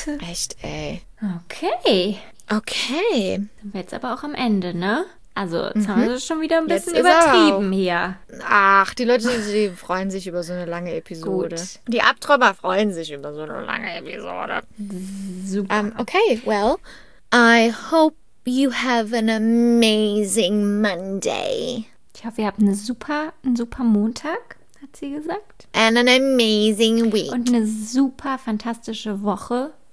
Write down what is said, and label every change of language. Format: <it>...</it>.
<de>Echt, ey. Okay. Okay. Dann wird's aber auch am Ende, ne? Also zu Hause ist schon wieder ein bisschen übertrieben hier. Ach, die Leute, die freuen sich über so eine lange Episode. Gut. Die Abtrümmer freuen sich über so eine lange Episode. Super.</de> <en>Okay, well, I hope you have an amazing Monday.</en> <de>Ich hoffe, ihr habt einen super Montag, hat sie gesagt.</de> <en>And an amazing week.</en> <de>Und eine super fantastische Woche.</de>